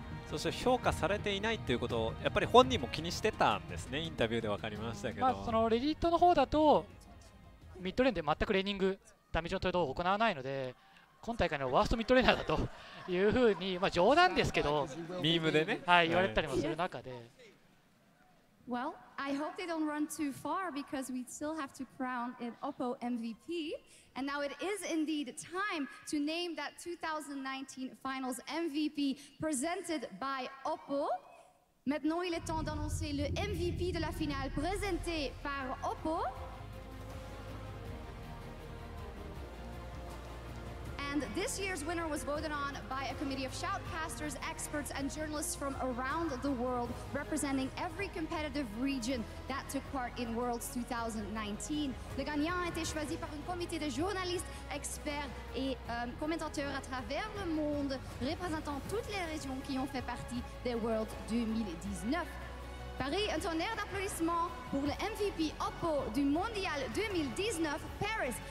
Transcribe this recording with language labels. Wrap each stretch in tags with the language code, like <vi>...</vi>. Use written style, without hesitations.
<ja>そして評価されていないということをやっぱり本人も気にしてたんですね、インタビューで分かりましたけど、まあ、そのレディットの方だとミッドレーンで全くレーニングダメージの取り方を行わないので今大会のワーストミッドレーナーだというふうに、まあ、冗談ですけどミームでね、はい、言われたりもする中で、</ja> <en>Well, I hope they don't run too far because we still have to crown an Oppo MVP. And now it is indeed time to name that 2019 Finals MVP presented by Oppo.</en> <fr>Maintenant, il est temps d'annoncer le MVP de la finale présenté par Oppo.</fr> <en>And this year's winner was voted on by a committee of shoutcasters, experts, and journalists from around the world, representing every competitive region that took part in Worlds 2019.</en> <fr>Le gagnant a été choisi par un comité de journalistes, experts et commentateurs à travers le monde, représentant toutes les régions qui ont fait partie des Worlds 2019. Paris, un tonnerre d'applaudissements pour le MVP Oppo du Mondial 2019, Paris.</fr>